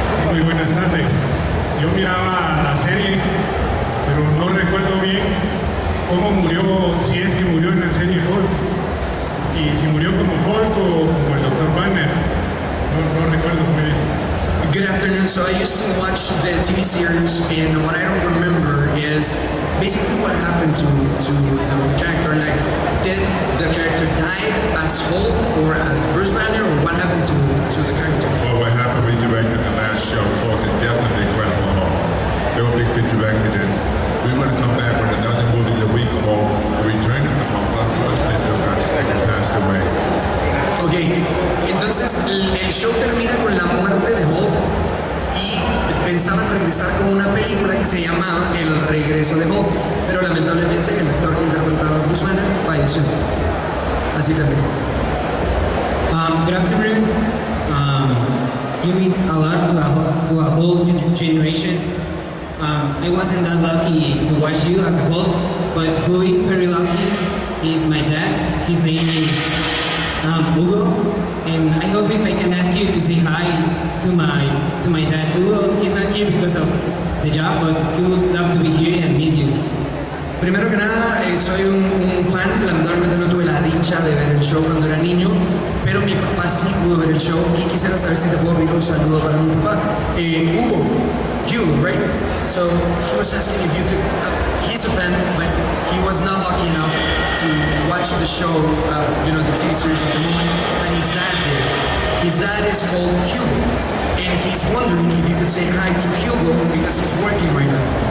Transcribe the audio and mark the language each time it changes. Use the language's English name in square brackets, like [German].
[Spanish] Muy buenas tardes. Yo miraba la serie, pero no recuerdo bien cómo murió, si es que murió en la serie Hulk. Y si murió como Hulk o como el Dr. Banner. No recuerdo muy bien. [English] Good afternoon. So I used to watch the TV series, and what I don't remember is basically what happened to the character. Like, did the character die as Hulk or as Bruce Banner, or what happened to the character? Well, what happened, we directed the last show called The Death of the Incredible Hulk. The only thing we directed it. We want to come back with another movie that we call The Return of the Hulk. Unfortunately, Bill got sick and passed away. [Spanish] Okay, entonces el show termina con la muerte de Hulk y pensaban regresar con una película que se llamaba El Regreso de Hulk, pero lamentablemente el actor que interpretaba a Bruce Banner falleció. Así terminó. [English] Good afternoon. You mean a lot to a whole generation. I wasn't that lucky to watch you as a Hulk, but who is very lucky is my dad. His name is Hugo, and I hope if I can ask you to say hi to my dad Hugo. He's not here because of the job, but he would love to be here and meet you. [Spanish] Primero que nada, soy un fan. Lamentablemente no tuve la dicha de ver el show cuando era niño, pero mi papá sí pudo ver el show y quisiera saber si te puedo pedir un saludo para mi papá. [English] Hugo, you, right? So he was asking if you could. He's a fan, but he was not lucky enough to watch the show, you know, the TV series at the moment. But his dad did. His dad is called Hugo, and he's wondering if you could say hi to Hugo because he's working right now.